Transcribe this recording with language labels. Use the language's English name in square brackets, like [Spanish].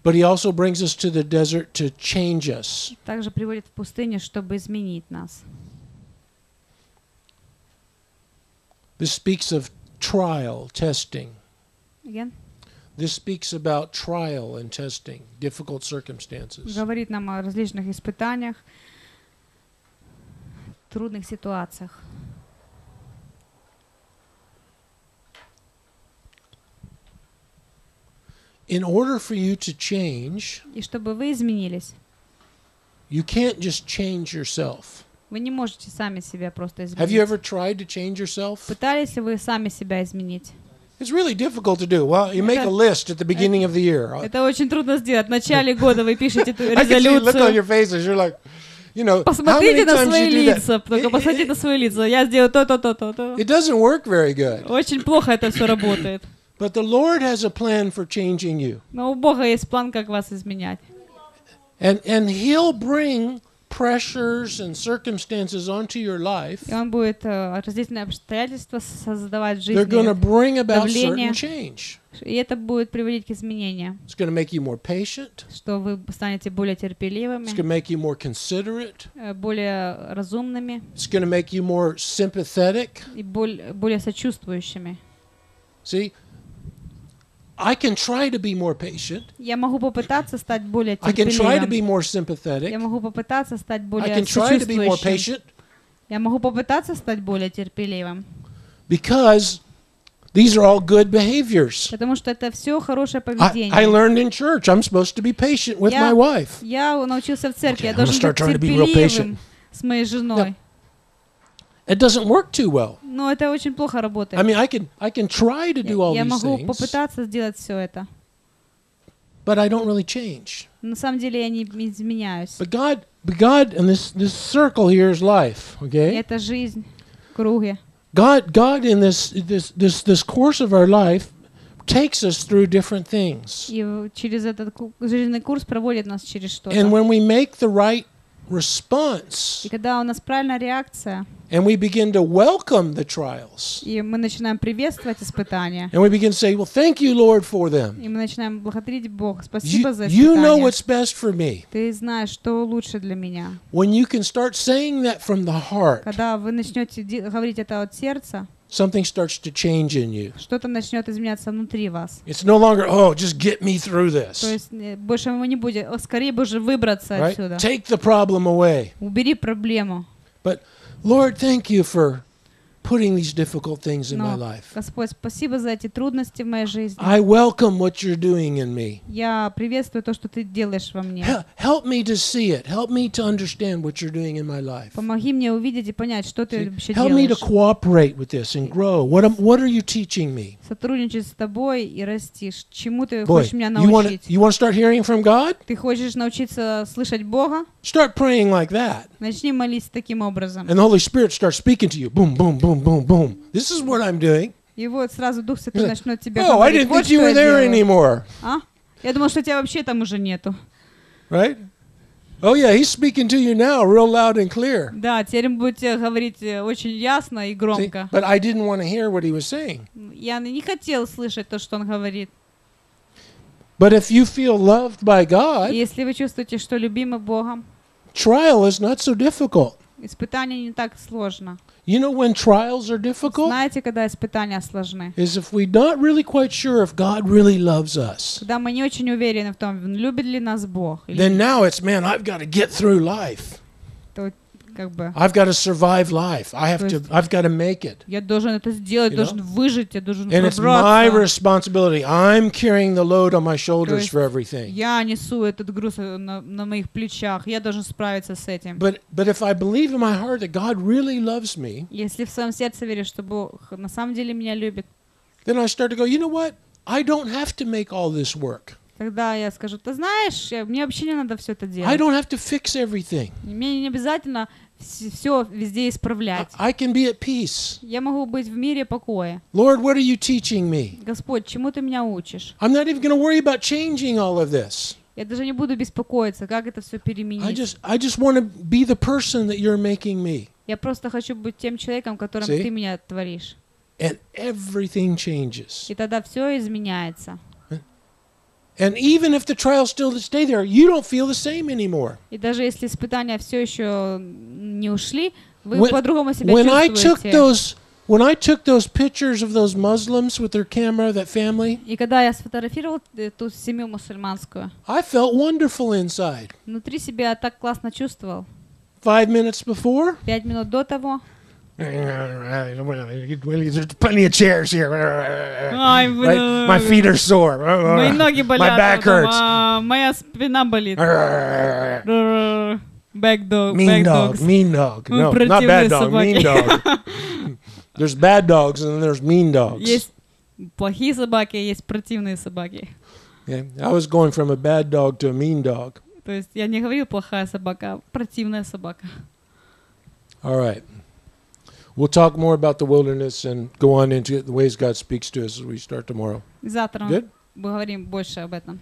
[English] But he also brings us to the desert to change us. [Russian] Также приводит в пустыню, чтобы изменить нас. [English] This speaks of trial, testing. Again? This speaks about trial and testing, difficult circumstances. [Russian] Говорит нам о различных испытаниях, трудных ситуациях. [English] In order for you to change, [Russian] и чтобы вы изменились, [English] you can't just change yourself. [Russian] Вы не можете сами себя просто изменить. [English] Have you ever tried to change yourself? [Russian] Пытались ли вы сами себя изменить? [English] It's really difficult to do. Well, you make a list at the beginning of the year. [Russian] Это очень трудно сделать. В начале года вы пишете эту резолюцию. [English] I can see you look on your faces. You're like, you know, [Russian] посмотрите на свои лица. Только посмотрите на свои лица. Я сделаю то, то, то, то, то. [English] It doesn't work very good. [Russian] Очень плохо это все работает. [English] But the Lord has a plan for changing you. [Russian] Но у Бога есть план, как вас изменять. [English] And He'll bring pressures and circumstances onto your life. [Russian] И он будет различные обстоятельства создавать в жизни. [English] They're going to bring about certain change. [Russian] И это будет приводить к изменениям. [English] It's going to make you more patient. [Russian] Что вы станете более терпеливыми. [English] It's going to make you more considerate. [Russian] Более разумными. [English] It's going to make you more sympathetic. [Russian] И более сочувствующими. [English] See? I can try to be more patient. [Russian] Я могу попытаться стать более терпеливым. [English] I can try to be more sympathetic. [Russian] Я могу попытаться стать более сочувствующим. [English] I can try to be more patient. [Russian] Я могу попытаться стать более терпеливым. [English] Because these are all good behaviors. [Russian] Потому что это все хорошее поведение. [English] I learned in church I'm supposed to be patient with my wife. [Russian] Я научился в церкви, я должен быть терпеливым с моей женой. [English] It doesn't work too well. [Russian] Но это очень плохо работает. [English] I mean, I can try to do all these things. [Russian] Я могу попытаться сделать все это. [English] But I don't really change. [Russian] На самом деле я не изменяюсь. [English] But God, and this circle here is life, okay? [Russian] Это жизнь, круги. [English] God in this course of our life takes us through different things. [Russian] И через этот жизненный курс проводит нас через что-то. [English] And when we make the right response. [Russian] И когда у нас правильная реакция. [English] And we begin to welcome the trials. [Russian] И мы начинаем приветствовать испытания. [English] And we begin to say, "Well, thank you, Lord, for them." [Russian] И мы начинаем благодарить Бога, спасибо за испытания. [English] You know what's best for me. [Russian] Ты знаешь, что лучше для меня. [English] When you can start saying that from the heart. [Russian] Когда вы начнете говорить это от сердца. [English] Something starts to change in you. [Russian] Что-то начнет изменяться внутри вас. [English] It's no longer, oh, just get me through this. [Russian] То есть больше мы не будем, скорее бы уже выбраться отсюда. [English] Take the problem away. [Russian] Убери проблему. [English] But Lord, thank you for putting these difficult things in my life. [Russian] Господь, спасибо за эти трудности в моей жизни. [English] I welcome what you're doing in me. [Russian] Я приветствую то, что ты делаешь во мне. [English] Help me to see it. Help me to understand what you're doing in my life. [Russian] Помоги мне увидеть и понять, что ты вообще делаешь. [English] Help me to cooperate with this and grow. What are you teaching me? [Russian] Сотрудничать с тобой и расти. Чему ты хочешь меня научить? [English] You want to start hearing from God? [Russian] Ты хочешь научиться слышать Бога? [English] Start praying like that. [Russian] Начни молиться таким образом. [English] And the Holy Spirit starts speaking to you. Boom, boom. Boom, boom, boom. This is what I'm doing. [Russian] И вот сразу Дух Святой начнет тебя говорить. [English] Oh, I didn't think you were there anymore. А? [Russian] Я думал, что тебя вообще там уже нету. [English] Right? Oh yeah, he's speaking to you now, real loud and clear. [Russian] Да, теперь он будет тебе говорить очень ясно и громко. [English] But I didn't want to hear what he was saying. [Russian] Я не хотел слышать то, что он говорит. [English] But if you feel loved by God, [Russian] если вы чувствуете, что любимы Богом, [English] trial is not so difficult. [Russian] Испытание не так сложно. [English] You know when trials are difficult? [Russian] Знаете, когда испытания сложны? [English] Is if we're not really quite sure if God really loves us. [Russian] Когда мы не очень уверены в том, любит ли нас Бог. [English] Then now it's, man, I've got to get through life. [Russian] То как бы. [English] I've got to survive life. I've got to make it. [Russian] Я должен это сделать, должен выжить, я должен [English] And it's my responsibility. I'm carrying the load on my shoulders for everything. [Russian] Я несу этот груз на моих плечах. Я должен справиться с этим. [English] But if I believe in my heart that God really loves me. [Russian] Если в своем сердце веришь, что Бог на самом деле меня любит. [English] Then I start to go, you know what? I don't have to make all this work. [Russian] Тогда я скажу, ты знаешь, мне вообще не надо все это делать. [English] I don't have to fix everything. [Russian] Мне не обязательно все везде исправлять. [English] I can be at peace. [Russian] Я могу быть в мире покоя. [English] Lord, what are you teaching me? [Russian] Господь, чему ты меня учишь? [English] I'm not even going to worry about changing all of this. [Russian] Я даже не буду беспокоиться, как это все переменить. [English] I just want to be the person that you're making me. [Russian] Я просто хочу быть тем человеком, которым ты меня творишь. [English] And everything changes. [Russian] И тогда все изменяется. [English] And even if the trial still stays there, you don't feel the same anymore. [Russian] И даже если испытания все еще не ушли, вы по-другому себя [English] when [Russian] чувствуете. [English] When I took those When I took those pictures of those Muslims with their camera, that family, [Russian] и когда я сфотографировал ту семью мусульманскую, [English] I felt wonderful inside. [Russian] Внутри себя я так классно чувствовал. [English] 5 minutes before? [Russian] 5 минут до того. [English] There's plenty of chairs here. Right? My feet are sore. [Russian] Мои ноги болят. [English] My back hurts. [Russian] Моя спина болит. [English] Back dog. Mean dog. Dogs. Mean dog. No, not bad dog. [Russian] Собаки. [English] Mean dog. There's bad dogs and then there's mean dogs. [Russian] Есть плохие собаки, есть противные собаки. [English] Yeah, I was going from a bad dog to a mean dog. [Russian] То есть я не говорил плохая собака, противная собака. [English] All right. We'll talk more about the wilderness and go on into it, the ways God speaks to us as we start tomorrow. [Russian] Завтра мы поговорим больше об этом.